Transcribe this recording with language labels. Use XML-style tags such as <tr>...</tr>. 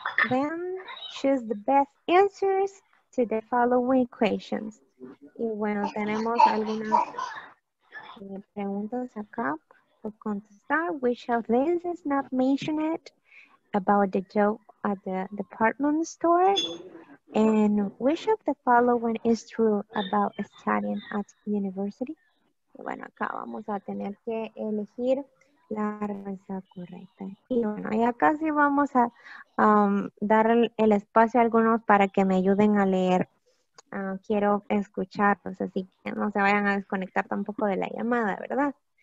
<en>then choose the best answers to the following questions.</en> <es>Y bueno, tenemos algunas preguntas acá por contestar.</es> <en>Which of these is not mentioned about the job at the department store? And which of the following is true about studying at university?</en> <es>Y bueno, acá vamos a tener que elegir la respuesta correcta. Y bueno, y acá sí vamos a dar el espacio a algunos para que me ayuden a leer. Quiero escucharlos, así que no se vayan a desconectar tampoco de la llamada, ¿verdad?</es>